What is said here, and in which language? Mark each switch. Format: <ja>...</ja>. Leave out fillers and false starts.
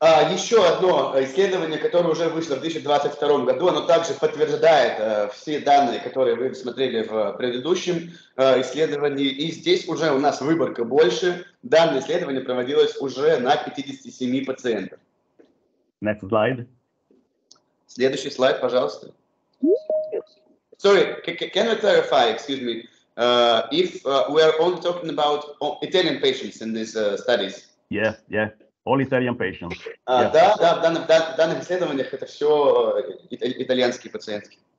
<ru>Еще одно исследование, которое уже вышло в 2022 году, оно также подтверждает все данные, которые вы смотрели в предыдущем исследовании. И здесь уже у нас выборка больше. Данное исследование проводилось уже на 57 пациентов.</ru> <en>Next slide.</en> <ru>Следующий слайд, пожалуйста.</ru> <en>Sorry, can I clarify, excuse me, if we are only talking about Italian patients in these studies? Yeah, yeah. All Italian patients.</en> <ru>В данных исследованиях это все итальянские пациенты.</ru>